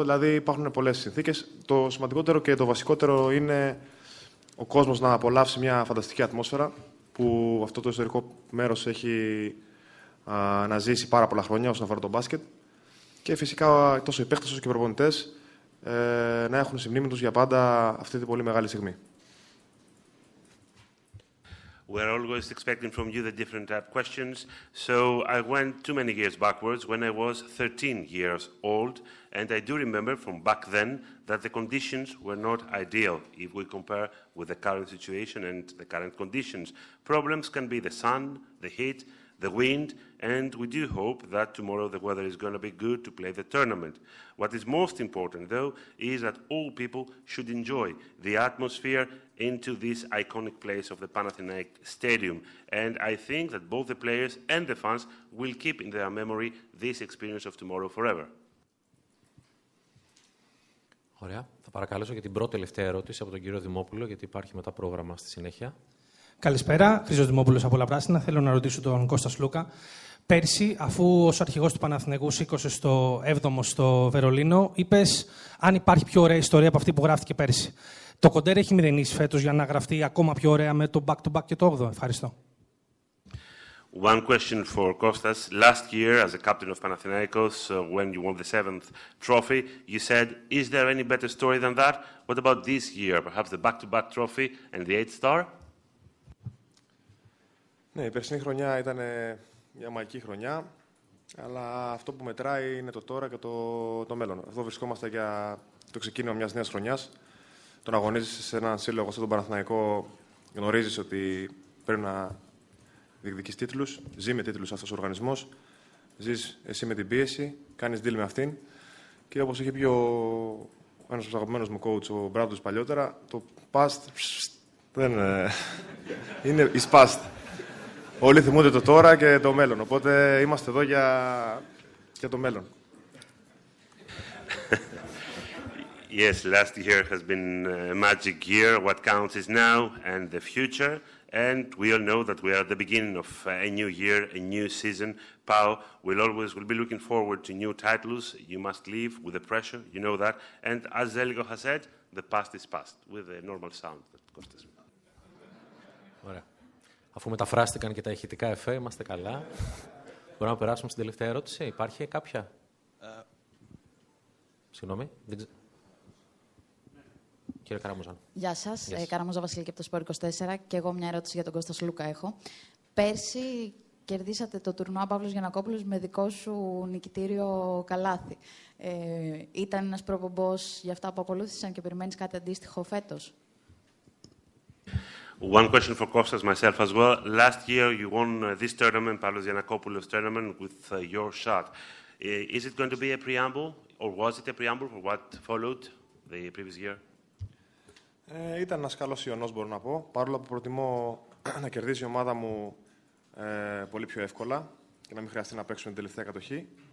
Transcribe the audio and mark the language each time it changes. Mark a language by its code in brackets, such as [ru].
[el] Δηλαδή υπάρχουν πολλές συνθήκες. Το σημαντικότερο και το βασικότερο είναι ο κόσμος να απολαύσει μια φανταστική ατμόσφαιρα που αυτό το ιστορικό μέρος έχει να ζήσει πάρα πολλά χρόνια όσον αφορά το μπάσκετ. Και φυσικά τόσο οι παίκτες όσο και οι προπονητές να έχουν στη μνήμη τους για πάντα αυτή την πολύ μεγάλη στιγμή. [en] We're always expecting from you the different type questions. So I went too many years backwards when I was 13 years old, and I do remember from back then that the conditions were not ideal if we compare with the current situation and the current conditions. Problems can be the sun, the heat, the wind, and we do hope that tomorrow the weather is going to be good to play the tournament. What is most important, though, is that all people should enjoy the atmosphere into this iconic place of the Panathinaik Stadium. And I think that both the players and the fans will keep in their memory this experience of tomorrow forever. [el] Ωραία. Θα παρακαλέσω για την πρώτη τελευταία ερώτηση από τον κύριο Δημόπουλο, γιατί υπάρχει μετά πρόγραμμα στη συνέχεια. Καλησπέρα. Χρήστος Δημόπουλος από Όλα Πράσινα. Θέλω να ρωτήσω τον Κώστα Σλούκα. Πέρσι, αφού ως αρχηγός του Παναθηναϊκού σήκωσε στο 7ο στο Βερολίνο, είπες αν υπάρχει πιο ωραία ιστορία από αυτή που γράφτηκε πέρσι. Το κοντέρ έχει μηδενίσει φέτος για να γραφτεί ακόμα πιο ωραία με το back-to-back και το 8ο. Ευχαριστώ. [en] One question for Kostas. Last year, as a captain of Panathinaikos, when you won the 7th trophy, you said, is there any better story than that? What about this year? Perhaps the back-to-back trophy and the 8th star? [el] Ναι, η περσινή χρονιά ήταν μια μαγική χρονιά, αλλά αυτό που μετράει είναι το τώρα και το μέλλον. Εδώ βρισκόμαστε για το ξεκίνημα μιας νέας χρονιάς. Τον αγωνίζεσαι σε έναν σύλλογο σαν τον Παναθηναϊκό, γνωρίζεις ότι πρέπει να διεκδικείς τίτλους, ζει με τίτλους αυτός ο οργανισμός, ζεις εσύ με την πίεση, κάνεις deal με αυτήν. Και όπως είχε πει ένας από τους αγαπημένους μου coach, ο Μπράδος παλιότερα, το past δεν είναι [en] is past. [el] Όλοι θυμούνται το τώρα και το μέλλον, οπότε είμαστε εδώ για το μέλλον. [en] Yes, last year has been a magic year. What counts is now and the future. And we all know that we are at the beginning of a new year, a new season. Pau, we'll always will be looking forward to new titles. You must leave with the pressure, you know that. And as Zeligo has said, the past is past, with a normal sound. [el] Ωραία. Αφού μεταφράστηκαν και τα ηχητικά εφέ, είμαστε καλά. Μπορούμε να περάσουμε στην τελευταία ερώτηση. Υπάρχει κάποια? Συγγνώμη. Κύριε Καραμούζαν. Γεια σας. [en] Yes. [el] Καραμούζα Βασιλική από το Σπορ 24. Και εγώ μια ερώτηση για τον Κώστα Σλούκα έχω. Πέρσι κερδίσατε το τουρνουά Παύλος Γιαννακόπουλος με δικό σου νικητήριο καλάθι. Ήταν ένας προπομπός για αυτά που ακολούθησαν και περιμένεις κάτι αντίστοιχο φέτος? [en] One question for Kostas, myself as well. Last year you won this tournament, Pavlos Giannakopoulos tournament, with your shot. Is it going to be a preamble, or was it a preamble for what followed the previous year? [el] Ήταν ένας καλός ιονός, μπορώ να πω. Παρόλο που προτιμώ να κερδίσει η ομάδα μου πολύ πιο εύκολα και να μην χρειαστεί να παίξουμε την τελευταία κατοχή.